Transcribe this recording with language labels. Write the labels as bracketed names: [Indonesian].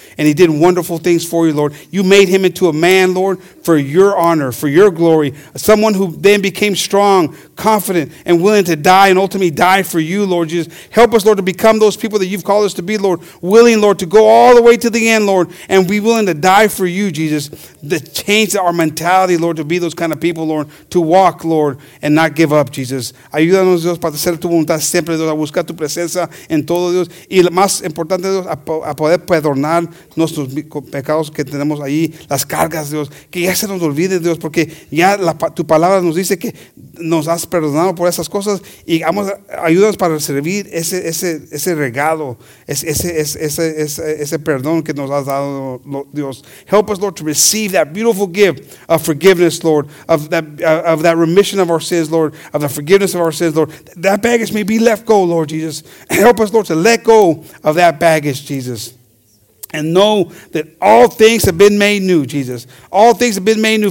[English] And he did wonderful things for you, Lord. You made him into a man, Lord, for your honor, for your glory, someone who then became strong, confident, and willing to die and ultimately die for you, Lord Jesus. Help us, Lord, to become those people that you've called us to be, Lord, willing, Lord, to go all the way to the end, Lord, and be willing to die for you, Jesus. To change our mentality, Lord, to be those kind of people, Lord, to walk, Lord, and not give up, Jesus. [Spanish] Ayúdanos, Dios, para hacer tu voluntad siempre, Dios, a buscar tu presencia en todo, Dios, y lo más importante, Dios, a poder perdonar nuestros pecados que tenemos ahí, las cargas, Dios, que ya se nos olvide, Dios, porque ya tu palabra nos dice que nos has perdonado por esas cosas, y vamos, ayúdanos para servir ese regalo, ese perdón que nos has dado, Dios. [English] Help us, Lord, to receive that beautiful gift of forgiveness, Lord, of that remission of our sins, Lord, of the forgiveness of our sins, Lord. That baggage may be let go, Lord Jesus. Help us, Lord, to let go of that baggage, Jesus. And know that all things have been made new, Jesus. All things have been made new.